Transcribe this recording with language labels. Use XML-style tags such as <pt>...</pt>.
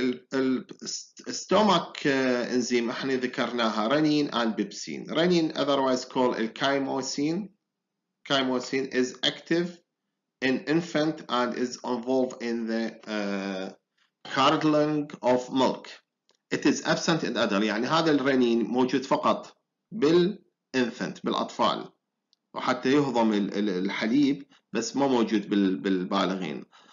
<ar>فالستومك انزيم احنا ذكرناها رنين اند بيبسين.</ar> <en>Rennin otherwise called الكايموسين. Chymosin is active in infant and is involved in the curdling of milk. It is absent in adult.</en> <ar>يعني هذا الرنين موجود فقط بالانفنت بالاطفال وحتى يهضم الحليب بس ما موجود بالبالغين.</ar>